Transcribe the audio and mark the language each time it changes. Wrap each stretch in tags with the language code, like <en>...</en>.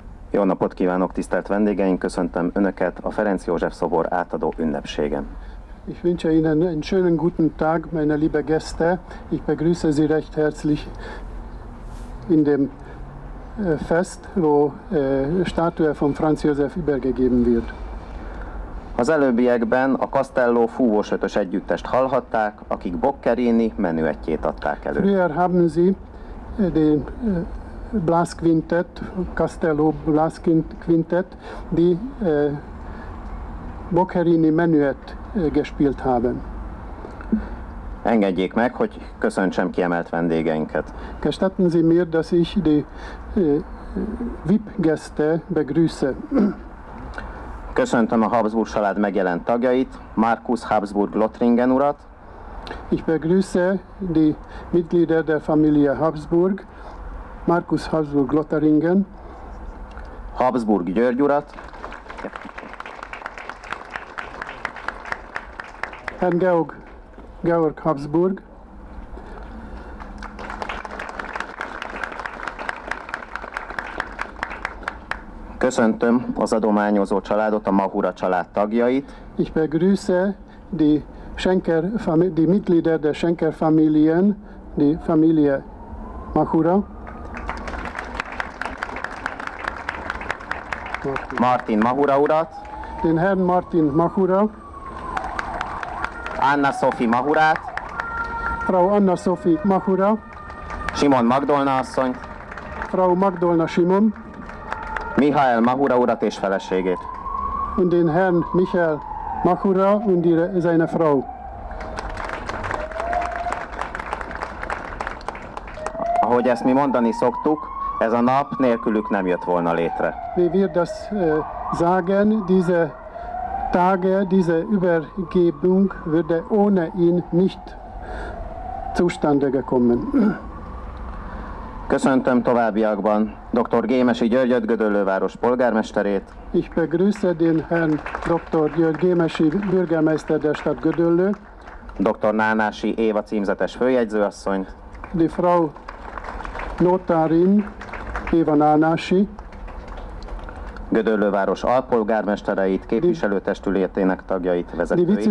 <hu>Jó napot kívánok, tisztelt vendégeink! Köszöntöm Önöket a Ferenc József szobor átadó ünnepségen.</hu> <de>Ich wünsche Ihnen einen schönen guten Tag, meine liebe Gäste. Ich begrüße Sie recht herzlich in dem Fest, wo Statue von Franz Josef übergegeben wird.</de> <hu>Az előbbiekben a Castello fúvós ötös együttest hallhatták, akik Boccherini menüetjét adták elő.</hu> <de>Früher haben Sie den Blasquintett, Castello Blasquintett, die Boccherini menüet gespielt haben.</de> <hu>Engedjék meg, hogy köszöntsem kiemelt vendégeinket.</hu> <de>Gestatten Sie mir, dass ich die VIP-Gäste begrüße.</de> <hu>Köszöntöm a Habsburg család megjelent tagjait, Markus Habsburg Lothringen urat.</hu> <de>Ich begrüße die Mitglieder der Familie Habsburg, Markus Habsburg Lothringen.</de> <hu>Habsburg György urat.</hu> <de>Herrn Georg Habsburg.</de> <hu>Köszöntöm az adományozó családot, a Mahura család tagjait.</hu> <de>Ich begrüße die Schenker, die Mitglieder der Schenker Familien, die Familie Mahura.</de> <hu>Martin Mahura urat.</hu> <de>Den Herrn Martin Mahura.</de> <hu>Anna Sophie Mahurát.</hu> <de>Frau Anna Sophie Mahura.</de> <hu>Simon Magdolna asszony.</hu> <de>Frau Magdolna Simon.</de> <hu>Michael Mahura urat és feleségét.</hu> <de>Und den Herrn Michael Mahura und seine Frau.</de> <hu>Ahogy ezt mi mondani szoktuk, ez a nap nélkülük nem jött volna létre.</hu> <de>Wie wir das sagen, diese Tage, diese Übergebung würde ohne ihn nicht zustande gekommen.</de> <hu>Köszöntöm továbbiakban Dr. Gémesi Györgyöt, Gödöllőváros polgármesterét.</hu> <de>Ich begrüße den Herrn Dr. György Gémesi, Bürgermeister der Stadt Gödöllő.</de> <hu>Dr. Nánási Éva címzetes főjegyzőasszonyt.</hu> <de>Die Frau Notarin Éva Nánási.</de> <hu>Gödöllőváros alpolgármestereit, képviselőtestületének tagjait, vezetőit.</hu>